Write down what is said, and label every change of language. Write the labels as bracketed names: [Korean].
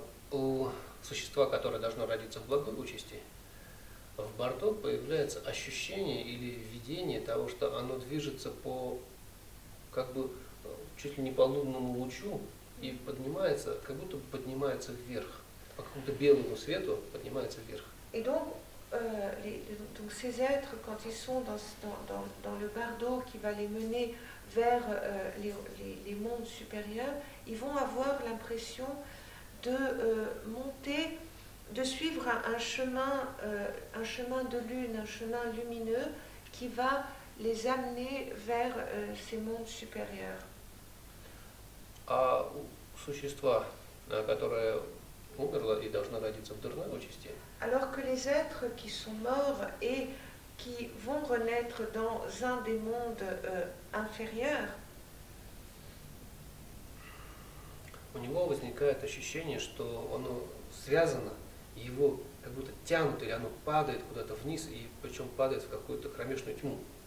[Russian] У существа, которое должно родиться в благой участи, в бардо появляется ощущение или видение того, что оно движется по, как бы, чуть ли не по лунному лучу и поднимается, как будто поднимается вверх, по какому-то белому свету поднимается вверх. [French] И donc, donc ces êtres, quand ils sont dans le бардо, qui va les mener vers les mondes supérieurs, ils vont avoir l'impression de monter, de suivre un chemin de lune, un chemin lumineux qui va les amener vers ces mondes supérieurs. [Russian] А у существа, которое умерло и должно родиться в дурной участи? [French] Alors que les êtres qui sont morts et qui vont renaître dans un des mondes inférieurs, [Russian] у него возникает ощущение, что оно связано, его как будто тянут или оно падает куда-то вниз и причем падает в какую-то кромешную тьму.